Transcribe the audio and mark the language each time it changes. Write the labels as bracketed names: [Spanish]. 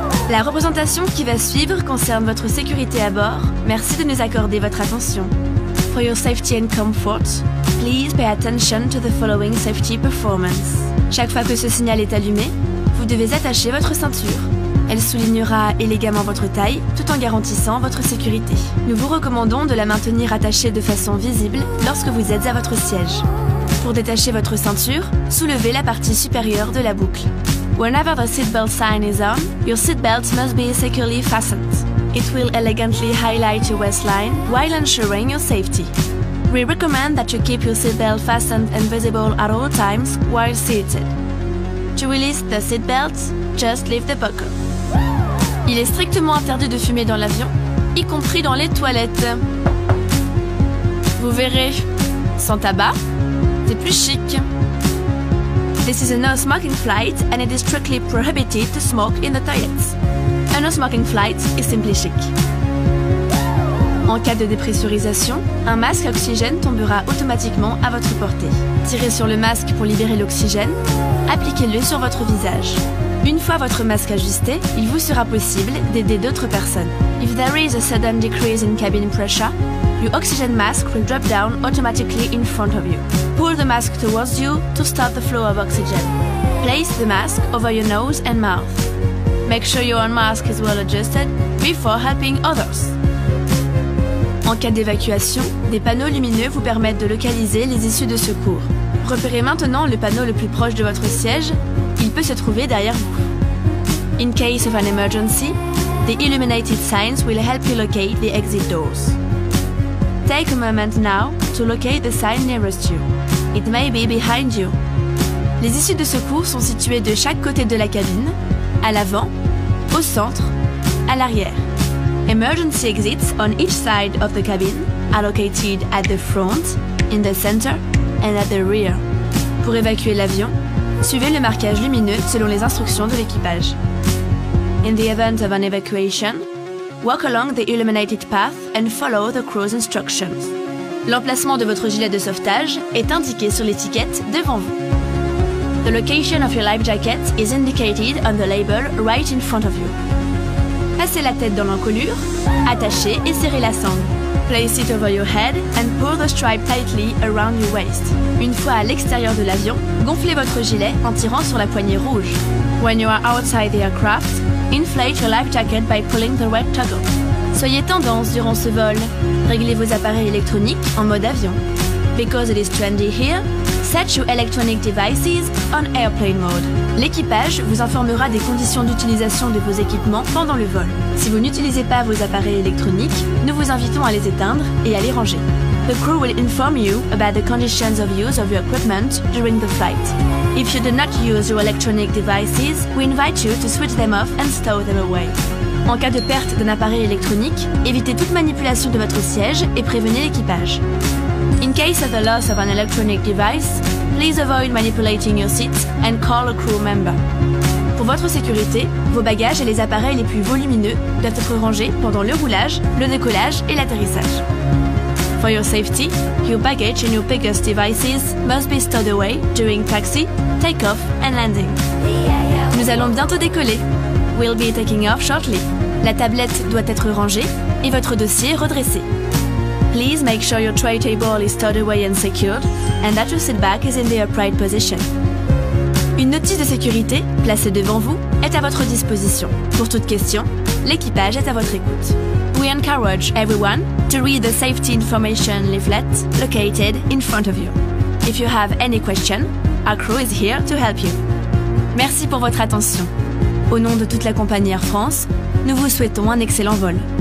[French] La représentation qui va suivre concerne votre sécurité à bord. Merci de nous accorder votre attention. [English] For your safety and comfort, please pay attention to the following safety performance. [French] Chaque fois que ce signal est allumé, vous devez attacher votre ceinture. Elle soulignera élégamment votre taille tout en garantissant votre sécurité. Nous vous recommandons de la maintenir attachée de façon visible lorsque vous êtes à votre siège. Pour détacher votre ceinture, soulevez la partie supérieure de la boucle. [English] Whenever the seatbelt sign is on, your seatbelt must be securely fastened. It will elegantly highlight your waistline while ensuring your safety. We recommend that you keep your seatbelt fastened and visible at all times while seated. To release the seatbelt, just lift the buckle. [French] Il est strictement interdit de fumer dans l'avion, y compris dans les toilettes. Vous verrez, sans tabac, c'est plus chic. [English] This is a no-smoking flight and it is strictly prohibited to smoke in the toilets. A no-smoking flight is simply chic. [French] En cas de dépressurisation, un masque à oxygène tombera automatiquement à votre portée. Tirez sur le masque pour libérer l'oxygène, appliquez-le sur votre visage. Une fois votre masque ajusté, il vous sera possible d'aider d'autres personnes. [English] If there is a sudden decrease in cabin pressure, your oxygen mask will drop down automatically in front of you. Pull the mask towards you to stop the flow of oxygen. Place the mask over your nose and mouth. Make sure your own mask is well adjusted before helping others. [French] En cas d'évacuation, des panneaux lumineux vous permettent de localiser les issues de secours. Repérez maintenant le panneau le plus proche de votre siège. Il peut se trouver derrière vous. [English] In case of an emergency, the illuminated signs will help you locate the exit doors. Take a moment now to locate the sign nearest you. It may be behind you. [French] Les issues de secours sont situées de chaque côté de la cabine, à l'avant, au centre, à l'arrière. [English] Emergency exits on each side of the cabin are located at the front, in the center, and at the rear. [French] Pour évacuer l'avion, suivez le marquage lumineux selon les instructions de l'équipage. [English] In the event of an evacuation, walk along the illuminated path and follow the crew's instructions. [French] L'emplacement de votre gilet de sauvetage est indiqué sur l'étiquette devant vous. [English] The location of your life jacket is indicated on the label right in front of you. [French] Passez la tête dans l'encolure, attachez et serrez la sangle. [English] Place it over your head and pull the stripe tightly around your waist. [French] Une fois à l'extérieur de l'avion, gonflez votre gilet en tirant sur la poignée rouge. [English] When you are outside the aircraft, inflate your life jacket by pulling the red toggle. [French] Soyez tendance durant ce vol. Réglez vos appareils électroniques en mode avion. [English] Because it is trendy here, set your electronic devices on airplane mode. [French] L'équipage vous informera des conditions d'utilisation de vos équipements pendant le vol. Si vous n'utilisez pas vos appareils électroniques, nous vous invitons à les éteindre et à les ranger. [English] The crew will inform you about the conditions of use of your equipment during the flight. If you do not use your electronic devices, we invite you to switch them off and stow them away. [French] En cas de perte d'un appareil électronique, évitez toute manipulation de votre siège et prévenez l'équipage. [English] In case of the loss of an electronic device, please avoid manipulating your seat and call a crew member. [French] Pour votre sécurité, vos bagages et les appareils les plus volumineux doivent être rangés pendant le roulage, le décollage et l'atterrissage. [English] For your safety, your baggage and your biggest devices must be stowed away during taxi, take-off and landing. [French] Nous allons bientôt décoller. [English] We'll be taking off shortly. [French] La tablette doit être rangée et votre dossier redressé. [English] Please make sure your tray table is stowed away and secured and that your seat back is in the upright position. [French] Une notice de sécurité, placée devant vous, est à votre disposition. Pour toute question, l'équipage est à votre écoute. [English] We encourage everyone to read the safety information leaflet located in front of you. If you have any question, our crew is here to help you. [French] Merci pour votre attention. Au nom de toute la compagnie Air France, nous vous souhaitons un excellent vol.